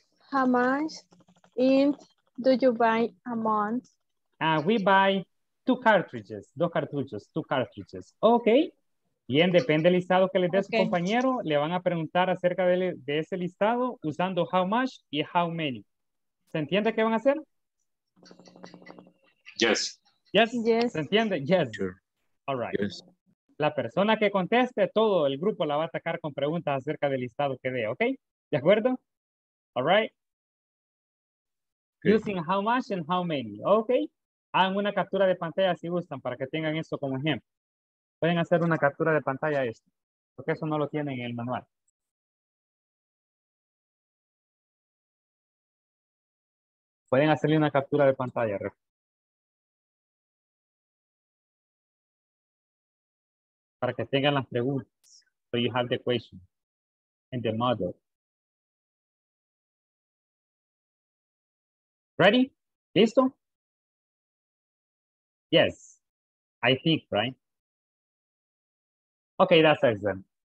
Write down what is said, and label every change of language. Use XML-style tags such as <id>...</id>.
<en>How much ink do you buy a month? We buy two cartridges. Okay.</en> <es>Bien, depende del listado que le dé su compañero. Le van a preguntar acerca de ese listado usando how much y how many. ¿Se entiende qué van a hacer?</es> <en>Yes. Yes. Yes.</en> <es>¿Se entiende?</es> <en>Yes. Sure. All right. Yes.</en> <es>La persona que conteste, todo el grupo la va a atacar con preguntas acerca del listado que dé, ¿ok? ¿De acuerdo?</es> <en>All right. Okay. Using how much and how many, ¿ok?</en> <es>Hagan una captura de pantalla si gustan para que tengan eso como ejemplo. Pueden hacer una captura de pantalla esto, porque eso no lo tienen en el manual. Pueden hacerle una captura de pantalla, para que tengan las preguntas.</es> <en>So you have the question and the model. Ready? ¿Listo? Yes. I think, right? Okay, that's excellent.</en>